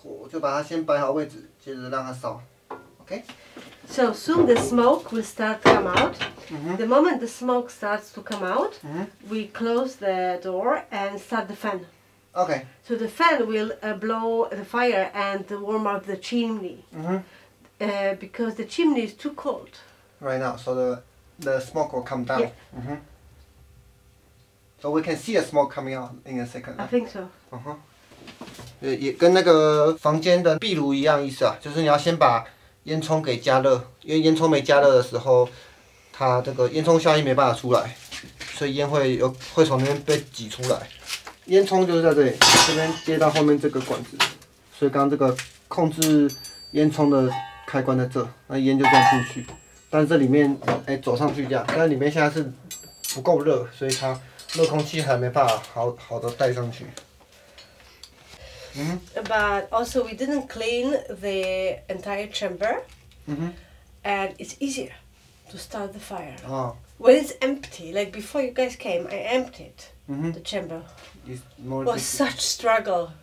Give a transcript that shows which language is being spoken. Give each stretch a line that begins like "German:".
Chinese: 就把它先摆好位置，接着让它烧 ，OK。
English: So soon the smoke will start to come out.、The moment the smoke starts to come out,、we close the door and start the fan. OK. So the fan will blow the fire and warm up the chimney. Because the chimney is too cold. Right now, so the smoke will come down. So we can see a smoke coming out in a second.、 I think so.
Chinese: 也跟那个房间的壁炉一样意思啊，就是你要先把烟囱给加热，因为烟囱没加热的时候，它这个烟囱效应没办法出来，所以烟会从那边被挤出来。烟囱就是在这里，这边接到后面这个管子，所以刚刚这个控制烟囱的开关在这，那烟就这样进去。但这里面走上去一样，但里面现在是不够热，所以它热空气还没办法好的带上去。
English: But also we didn't clean the entire chamber, and it's easier to start the fire. When it's empty, like before you guys came, I emptied the chamber. It's more. Was such struggle.